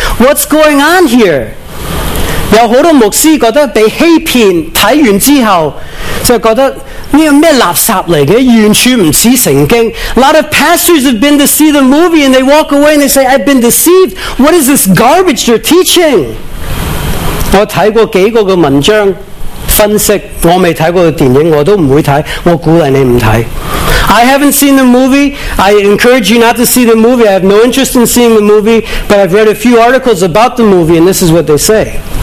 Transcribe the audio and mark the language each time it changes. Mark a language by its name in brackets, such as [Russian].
[English] What's going on here? [Cantonese] 有好多牧师觉得被欺骗，睇完之后就觉得呢个咩垃圾嚟嘅，完全唔似圣经。 [English] A lot of pastors have been to see the movie and they walk away and they say, I've been deceived. What is this garbage they're teaching? [Cantonese] 我睇过几个嘅文章分析，我未睇过嘅电影，我都唔会睇。我鼓励你唔睇。 [English] I haven't seen the movie. I encourage you not to see the movie. I have no interest in seeing the movie, but I've read a few articles about the movie and this is what they say.